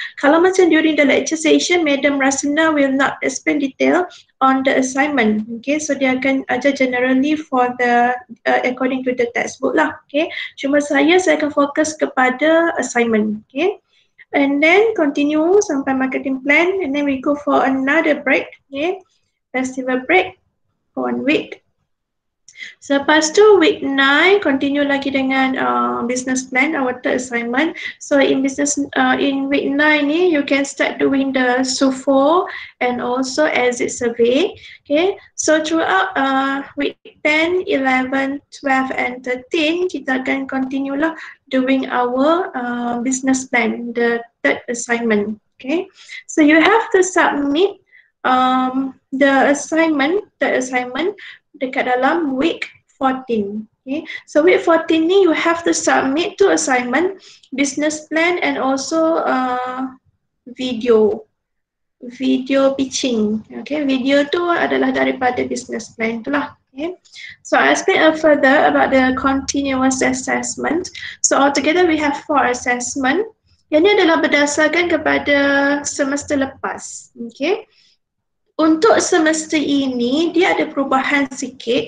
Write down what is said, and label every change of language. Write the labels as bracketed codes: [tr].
[ms] Kalau macam [en] during the lecture session, Madam Rasina will not explain detail on the assignment. Okay, so [ms] dia akan ajar [en] generally for the according to the textbook [ms] lah. Okay, cuma saya akan fokus kepada assignment. [en] Okay, and then continue [ms] sampai [en] marketing plan, and then we go for another break. Okay, festival break for 1 week. [ms] Selepas tu [en] week 9 continue [ms] lagi dengan [en] business plan, our third assignment. So in business in week 9 [ms] ni, [en] you can start doing the SUFO and also exit survey. Okay, so throughout week 10, 11, 12 and 13, [ms] kita akan [en] continue [ms] lah [en] doing our business plan, the third assignment. Okay, so you have to submit the assignment [ms] dekat dalam [en] week 14. Okay, so week 14 [ms] ni [en] you have to submit two assignment, business plan and also video pitching. [ms] Okay, video tu adalah daripada business plan tu lah. [en] Okay, so I'll explain further about the continuous assessment. So altogether we have 4 assessment. [ms] Yang ni adalah berdasarkan kepada semester lepas. Okay, untuk semester ini, dia ada perubahan sikit.